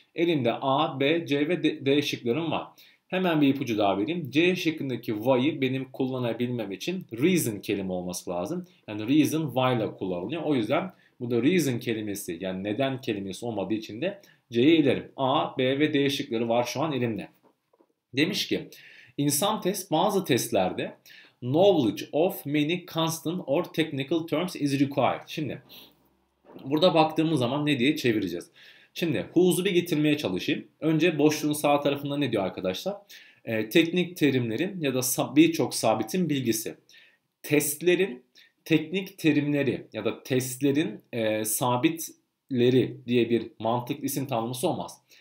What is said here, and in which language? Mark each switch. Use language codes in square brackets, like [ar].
[tr] Elimde A, B, C ve D şıklarım var. Hemen bir ipucu daha vereyim. C şıkkındaki why'ı benim kullanabilmem için reason kelime olması lazım. Yani reason why ile kullanılıyor. O yüzden bu da reason kelimesi yani neden kelimesi olmadığı için de C'yi elerim. A, B ve D şıkları var şu an elimde. Demiş ki insan test bazı testlerde [en] knowledge of many constant or technical terms is required. [tr] Şimdi burada baktığımız zaman ne diye çevireceğiz? Şimdi who'su bir getirmeye çalışayım. Önce boşluğun sağ tarafında ne diyor arkadaşlar? Teknik terimlerin ya da birçok sabitin bilgisi. Testlerin teknik terimleri ya da testlerin sabitleri diye bir mantıklı isim tanımlaması olmaz.